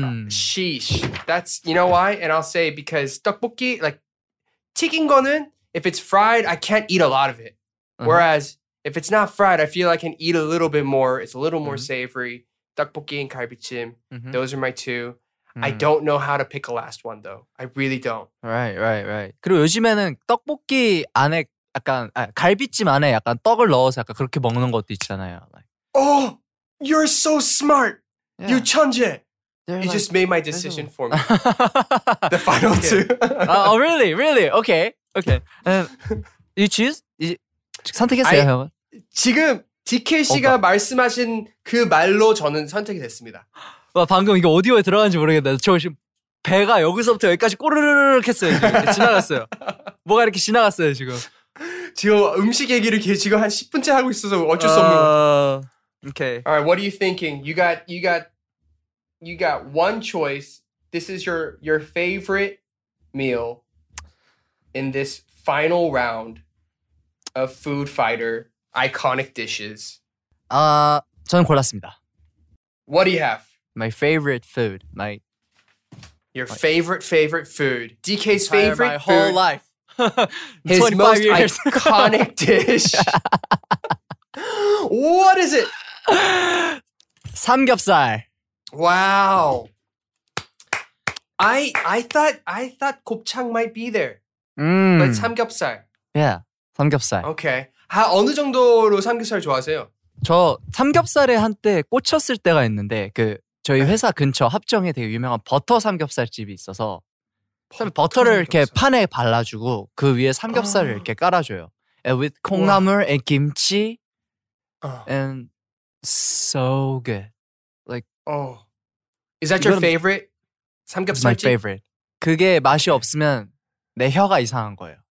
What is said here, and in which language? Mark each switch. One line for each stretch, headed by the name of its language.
English: Sheesh. That's, you know why? And I'll say because 떡볶이, like
Korean: 튀긴 거는,
English: if it's fried, I can't eat a lot of it. Uh-huh. Whereas if it's not fried, I feel I can eat a little bit more. It's a little more mm-hmm. savory. 떡볶이 and 갈비찜. Mm-hmm. Those are my two. Mm. I don't know how to pick a last one though. I really don't. Right, right, right.
Korean: 그리고 요즘에는 떡볶이 안에 약간 아, 갈비찜 안에 약간 떡을 넣어서 약간 그렇게 먹는 것도 있잖아요.
English: Like. Oh, you're so smart. Yeah. You
Korean: 천재.
English: You like, just made my decision for me. The final two. oh, really? Really? Okay. Okay. You choose?
Korean: 선택했어요, 형. 지금 DK 씨가 오빠. 말씀하신 그 말로 저는 선택이 됐습니다. 와 방금 이게 오디오에 들어간지 모르겠는데 저 지금 배가 여기서부터 여기까지 꼬르르륵 했어요. 지금. 지나갔어요. 뭐가 이렇게 지나갔어요 지금. 지금 음식 얘기를 지금 한 10분째 하고 있어서 어쩔 수 없는 거.
English: Okay. Alright, what are you thinking? You got one choice. This is your favorite meal in this final round of Food Fighter iconic dishes.
Korean: 저는 골랐습니다.
English: What do you have? My favorite food, mate. Your favorite food. DK's entire favorite my whole food. Life. His most iconic dish. What is it?
Korean: 삼겹살.
English: Wow. I thought 곱창 might be there. Mm. But 삼겹살. Yeah, 삼겹살. Okay.
Korean: 하, 어느 정도로 삼겹살 좋아하세요? 저 삼겹살에 한때 꽂혔을 때가 있는데 그 저희 회사 근처 합정에 되게 유명한 버터 삼겹살 집이 있어서 버터를 삼겹살. 이렇게 판에 발라주고 그 위에 삼겹살을 이렇게 깔아줘요.
English: And with 콩나물 and 김치 and so good. Like, oh, is that your favorite 삼겹살 집? My favorite.
Korean: 그게 맛이 없으면 내 혀가 이상한 거예요.